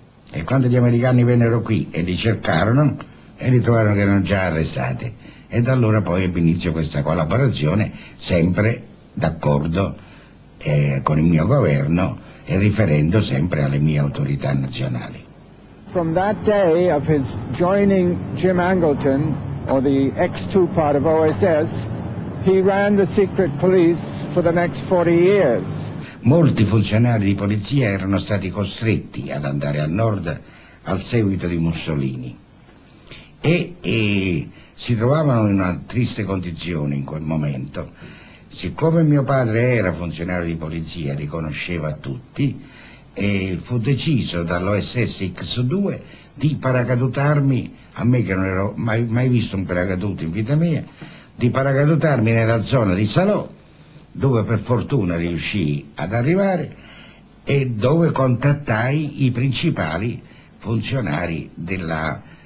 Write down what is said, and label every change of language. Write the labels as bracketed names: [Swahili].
[Italian] E quando gli americani vennero qui e li cercarono, e li trovarono che erano già arrestati. E da allora poi ebbe inizio questa collaborazione, sempre d'accordo con il mio governo e riferendo sempre alle mie autorità nazionali. [English] From that day of his joining Jim Angleton, or the X2 part of OSS, he ran the secret police for the next 40 years. [Italian] Molti funzionari di polizia erano stati costretti ad andare al nord al seguito di Mussolini e si trovavano in una triste condizione in quel momento. Siccome mio padre era funzionario di polizia, li conosceva tutti, e fu deciso dall'OSS X2 di paracadutarmi, a me che non ero mai visto un paracadute in vita mia, di paracadutarmi nella zona di Salò, dove per fortuna riuscii ad arrivare e dove contattai i principali funzionari della